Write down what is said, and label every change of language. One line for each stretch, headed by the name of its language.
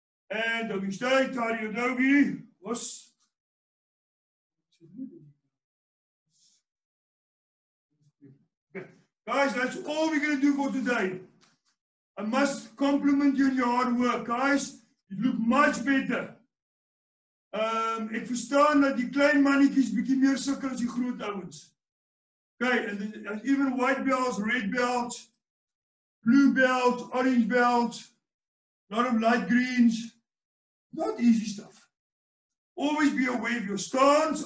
English: And dogi stay, tari your dogi, os. Guys, that's all we're going to do for today. I must compliment you on your hard work. Guys, you look much better.
Afrikaans: Ek verstaan dat die klein mannetjies bietjie meer sukkel as die groot ouens.
English: Okay, and there's even white belts, red belts, blue belts, orange belts, a lot of light greens. Not easy stuff. Always be aware of your stance.